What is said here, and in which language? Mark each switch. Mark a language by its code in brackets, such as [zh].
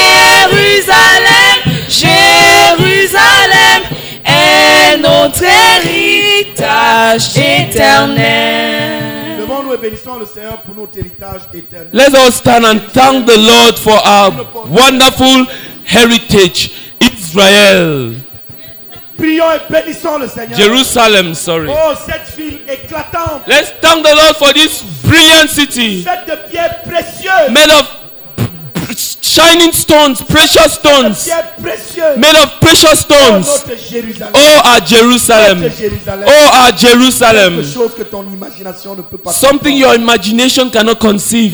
[fr] Jérusalem, Jérusalem, est notre héritage éternel. Levons-nous et bénissons le Seigneur pour notre héritage éternel. [en] Let us stand and thank the Lord for our wonderful heritage, Israel. [fr] Prions et bénissons le Seigneur. [en] Jerusalem, sorry. [fr] Oh, cette ville éclatante. [en] Let's thank the Lord for this brilliant city. [fr] Faite de pierres précieuses. [en] Made of shining stones, precious stones. [fr] De pierres précieuses. [en] Made of precious stones. [fr] Oh, notre Jérusalem. [en] Oh, our Jerusalem. [fr] Notre Jérusalem. [en] Oh, our Jérusalem. [fr] Quelque chose que ton imagination ne peut pas. [en] Something your imagination cannot conceive.